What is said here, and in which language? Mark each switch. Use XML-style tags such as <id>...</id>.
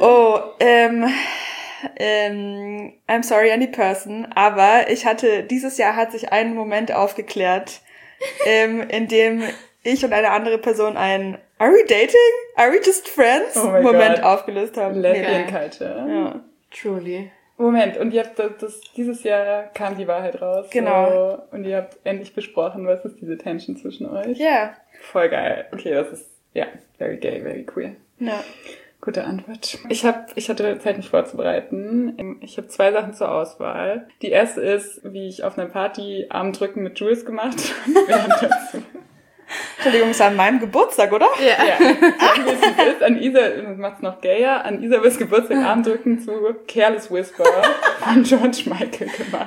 <en>Oh, I'm sorry any person,</en> <de>aber ich hatte, dieses Jahr hat sich ein Moment aufgeklärt, in dem ich und eine andere Person einen</de> <en>Are we dating? Are we just friends? Oh</en> <de>Moment</de> <en>God.</en> <de>Aufgelöst haben.</de> <en>Lesbian Culture.</en> <de>Ja.</de> <en>Truly.</en> <de>Moment, und ihr habt dieses Jahr kam die Wahrheit raus. Genau. So, und ihr habt endlich besprochen, was ist diese Tension zwischen euch? Ja. Yeah. Voll geil. Okay, das ist, ja,</de> <en>very gay, very queer.</en> <de>Ja. Gute Antwort. Ich hatte Zeit, mich vorzubereiten. Ich habe zwei Sachen zur Auswahl. Die erste ist, wie ich auf einer Party Armdrücken mit Jules gemacht habe. Entschuldigung, ist an meinem Geburtstag, oder?</de> <en>Yeah.</en> <de>Ja. Wie ist, an Isa, das macht's noch gayer, an Isabels Geburtstag Armdrücken zu Careless Whisper von George Michael gemacht.</de>